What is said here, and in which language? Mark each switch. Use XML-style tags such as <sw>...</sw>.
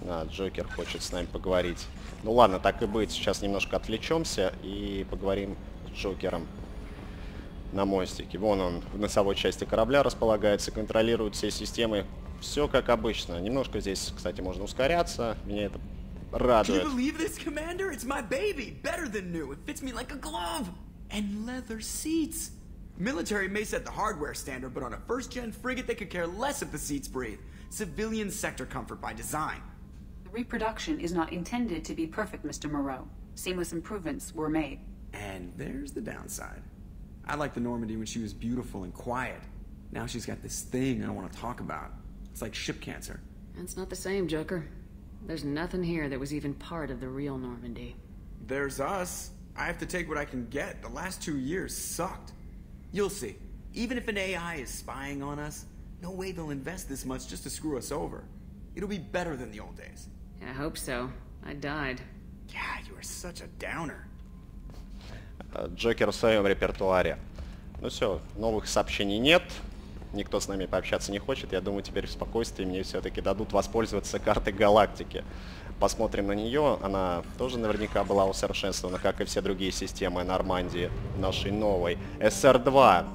<ru>Джокер хочет с нами поговорить. Ну ладно, так и быть. Сейчас немножко отвлечемся и поговорим с Джокером на мостике. Вон он в носовой части корабля располагается, контролирует все системы. Все как обычно. Немножко здесь, кстати, можно ускоряться. Меня это радует.</ru> <en>Can you believe this, Commander? It's my baby. Better than new. It fits me like a glove. And leather seats. Military may set the hardware standard, but on a first-gen frigate, they could care less if the seats breathe. Civilian sector comfort by design. The reproduction is not intended to be perfect, Mr. Moreau. Seamless improvements were made. And there's the downside. I liked the Normandy when she was beautiful and quiet. Now she's got this thing I don't want to talk about. It's like ship cancer. That's not the same, Joker. There's nothing here that was even part of the real Normandy. There's us. I have to take what I can get. The last 2 years sucked. You'll see. Even if an AI is spying on us, no way they'll invest this much just to screw us over. It'll be better than the old days. I hope so. I died. Yeah, you are such a downer.</en> <ru>Джокер в своем репертуаре. Ну все, новых сообщений нет. Никто с нами пообщаться не хочет. Я думаю, теперь в спокойствии мне все-таки дадут воспользоваться картой галактики. Посмотрим на нее. Она тоже наверняка была усовершенствована, как и все другие системы Нормандии нашей новой. СР-2.</ru>